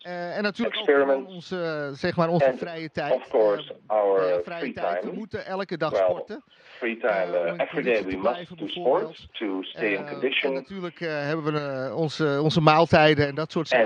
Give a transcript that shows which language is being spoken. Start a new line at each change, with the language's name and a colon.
Dutch: En natuurlijk ook onze, onze vrije tijd.
English: Of course, our free time.
Dutch: We moeten elke dag sporten.
English: Free time. Every day we must do sports to stay in condition.
Dutch: Natuurlijk hebben we onze maaltijden en dat soort zaken.